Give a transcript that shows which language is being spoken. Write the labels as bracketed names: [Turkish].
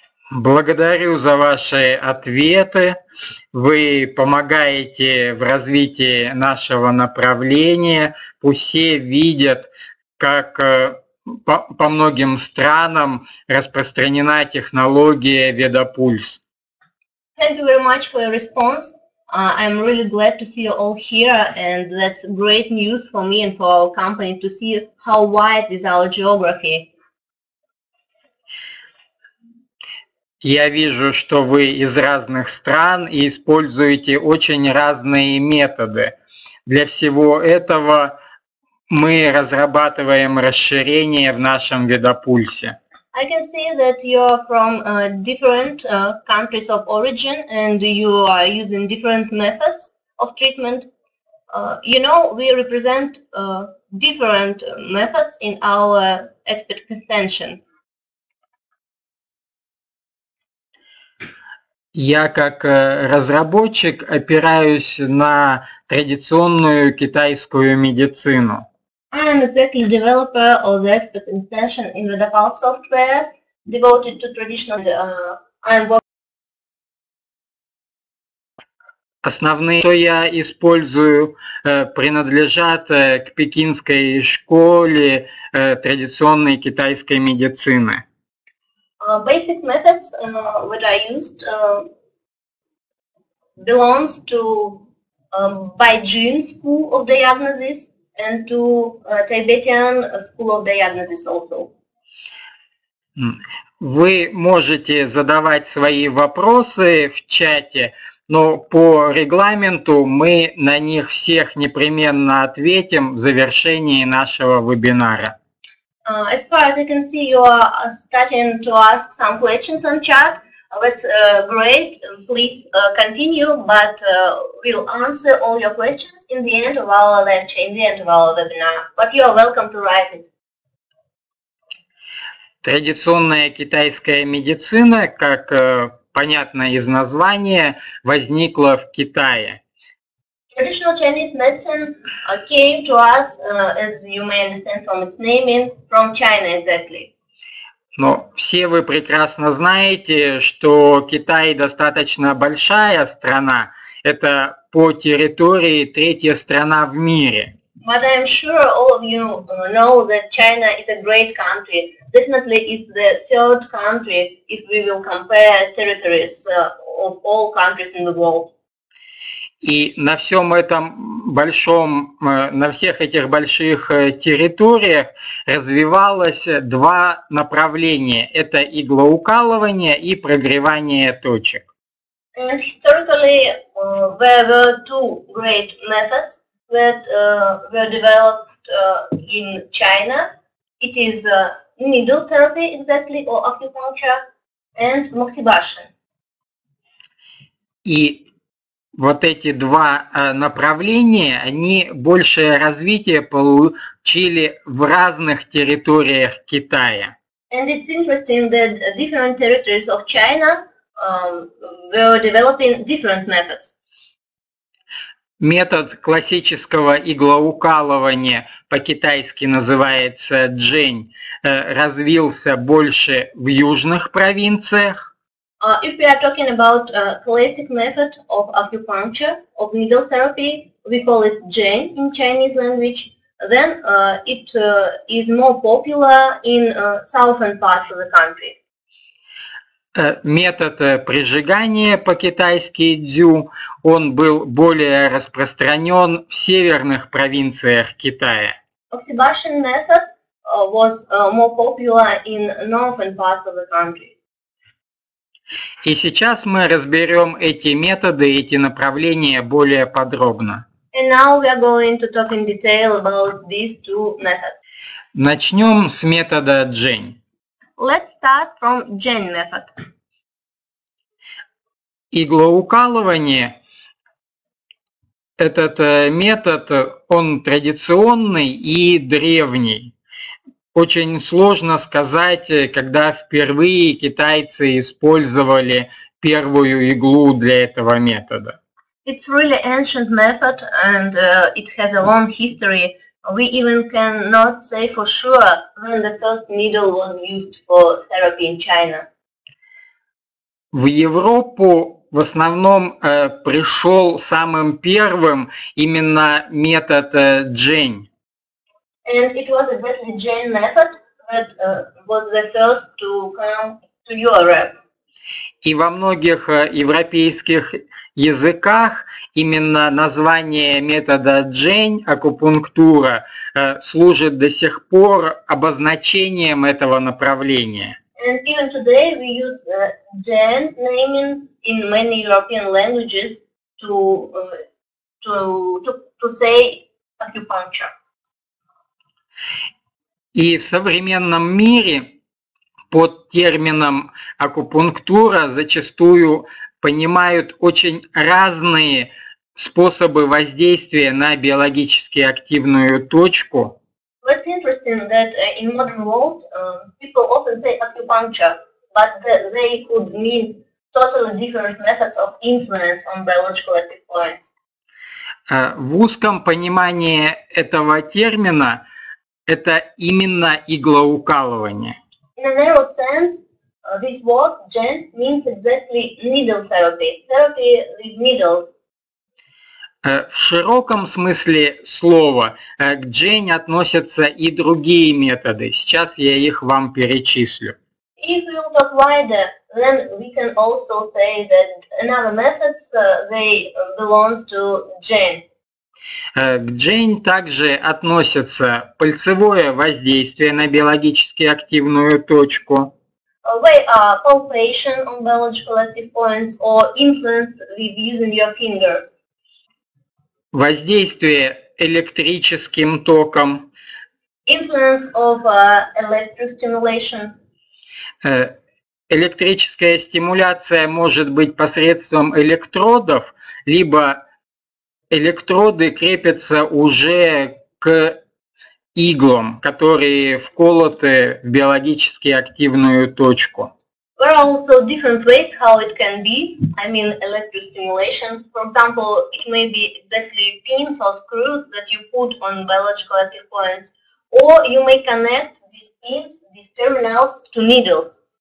[Russian] Благодарю за ваши ответы. Вы помогаете в развитии нашего направления. Пусть все видят, как по многим странам распространена технология VedaPulse. [English] Thank you very much for your response. I'm really glad to see you all here, and that's great news for me and for our company to see how wide is our geography. [Russian] Я вижу, что вы из разных стран и используете очень разные методы. Для всего этого мы разрабатываем расширение в нашем VedaPulse. [English] I can see that you are from different countries of origin and you are using different methods of treatment. You know, we represent different methods in our expert extension. [Russian] Я как разработчик опираюсь на традиционную китайскую медицину. [English] I am executive developer of the expert extension in the DAPAL software devoted to traditional. [Russian] Основные, что я использую, принадлежат к пекинской школе традиционной китайской медицины. [English] Basic methods that I used belongs to Baijun School of Diagnosis and to Tibetan School of Diagnosis also. [Russian] Вы можете задавать свои вопросы в чате, но по регламенту мы на них всех непременно ответим в завершении нашего вебинара. [English] As far as I can see, you are starting to ask some questions on chat. That's great. Please continue, but we'll answer all your questions in the end of our lecture, in the end of our webinar. But you are welcome to write it. [Russian] Традиционная китайская медицина, как понятно из названия, возникла в Китае. [English] Traditional Chinese medicine came to us, as you may understand from its naming, from China exactly. [Russian] Но все вы прекрасно знаете, что Китай достаточно большая страна. Это по территории третья страна в мире. [English] But I'm sure all of you know that China is a great country. Definitely it's the third country, if we will compare territories of all countries in the world. [Russian] И на всем этом большом, на всех этих больших территориях развивалось два направления. Это иглоукалывание и прогревание точек. [English] And historically there were two great methods that were developed in China. It is needle therapy exactly, or acupuncture, and moxibustion. [Russian] И вот эти два направления, они большее развитие получили в разных территориях Китая. [English] And it's interesting that different territories of China were developing different methods. [Russian] Метод классического иглоукалывания, по-китайски называется джэнь, развился больше в южных провинциях. [English] If we are talking about a classic method of acupuncture, of needle therapy, we call it Zhen in Chinese language, then it is more popular in southern parts of the country. [Russian] Метод прижигания по-китайски дзю, он был более распространен в северных провинциях Китая. [English] Oxybashin method was more popular in northern parts of the country. [Russian] И сейчас мы разберем эти методы, эти направления более подробно. [English] And now we are going to talk in detail about these two methods. [Russian] Начнем с метода Джен. [English] Let's start from Джен method. [Russian] Иглоукалывание. Этот метод, он традиционный и древний. Очень сложно сказать, когда впервые китайцы использовали первую иглу для этого метода. [English] It's really ancient method and it has a long history. We even cannot say for sure when the first needle was used for therapy in China. [Russian] В Европу в основном пришел самым первым именно метод Джен. [English] And it was exactly Jain method that was the first to come to Europe. [Russian] И во многих европейских языках именно название метода Jain, акупунктура, служит до сих пор обозначением этого направления. [English] And even today we use Jain naming in many European languages to say acupuncture. [Russian] И в современном мире под термином акупунктура зачастую понимают очень разные способы воздействия на биологически активную точку. [English] It's interesting that in modern world people often say acupuncture, but they could mean totally different methods of influence on biological active points. [Russian] В узком понимании этого термина это именно иглоукалывание. [English] In a narrow sense, this word gent means exactly needle therapy. Therapy with needles. [Russian] В широком смысле слова к Jane относятся и другие методы. Сейчас я их вам перечислю. [English] If we talk wider, then we can also say that another methods they belongs to Jane. [Russian] К Jane также относятся пальцевое воздействие на биологически активную точку. [English] They are palpation on biological active points or influence with using your fingers. [Russian] Воздействие электрическим током. [English] Influence of electric stimulation. [Russian] Электрическая стимуляция может быть посредством электродов, либо электроды крепятся уже к иглам, которые вколоты в биологически активную точку. [English] There are also different ways how it can be. I mean, electrostimulation. For example, it may be exactly pins or screws that you put on biological active points, or you may connect these pins, these terminals, to needles.